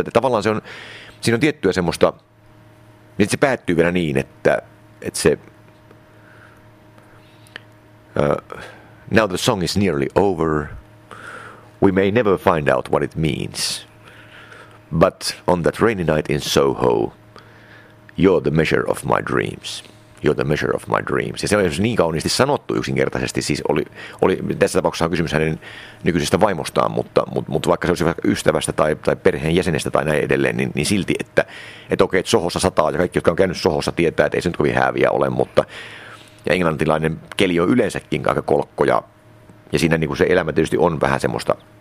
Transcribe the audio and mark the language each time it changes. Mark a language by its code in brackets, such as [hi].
[fi] Tavallaan se on, siinä on tiettyä semmoista, niin se päättyy vielä niin, että se [en] now the song is nearly over. We may never find out what it means. But on that rainy night in Soho, you're the measure of my dreams. You're the measure of my dreams. [fi] Ja se on niin kauniisti sanottu yksinkertaisesti. Siis oli tässä tapauksessa on kysymys hänen nykyisestä vaimostaan, mutta vaikka se olisi ystävästä tai perheen jäsenestä tai näin edelleen, niin silti, että okei, että Sohossa sataa ja kaikki, jotka on käynyt Sohossa, tietää, että ei se nyt kovin hääviä ole, mutta ja englantilainen keli on yleensäkin aika kolkko ja siinä niin kuin se elämä tietysti on vähän semmoista